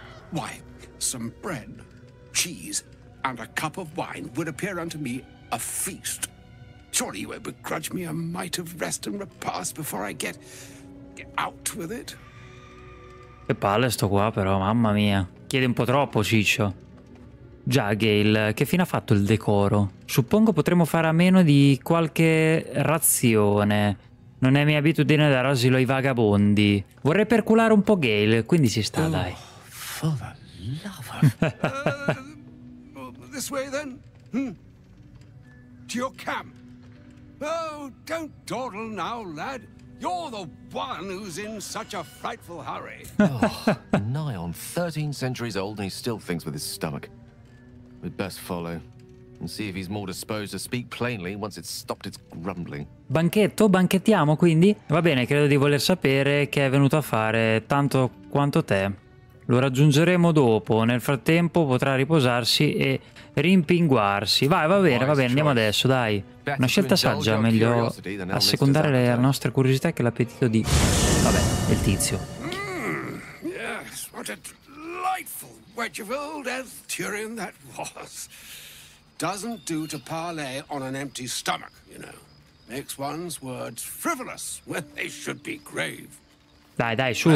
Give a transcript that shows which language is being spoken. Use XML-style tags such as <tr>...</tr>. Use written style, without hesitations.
<en>Why, some bread, cheese, and a cup of wine would appear unto me a feast. Surely you won't begrudge me a mite of rest and repast before I get out with it.</en> <it>Che palle sto qua però, mamma mia. Chiede un po' troppo, ciccio. Già, Gale, che fine ha fatto il decoro? Suppongo potremmo fare a meno di qualche razione. Non è mia abitudine dare asilo ai vagabondi. Vorrei perculare un po' Gale, quindi ci sta, oh, dai.</it> <en>For the love of... this way, then? To your camp. Oh, don't dawdle now, lad. You're the one who's in such a frightful hurry. Oh, nigh on 13 centuries old and he still thinks with his stomach. We'd best follow and see if he's more disposed to speak plainly once it's stopped its grumbling.</en> <it>Banchetto, banchettiamo quindi? Va bene, credo di voler sapere che è venuto a fare tanto quanto te. Lo raggiungeremo dopo, nel frattempo potrà riposarsi e rimpinguarsi. Vai, va bene, andiamo adesso, dai. Una scelta saggia, meglio assecondare le nostre curiosità che l'appetito di... Vabbè, del tizio.</it> <en>Yes, what a delightful wedge of old Elthurian that was. Doesn't do to parlay on an empty stomach, you know. Makes one's words frivolous when they should be grave.</en> <it>Dai, su.</it>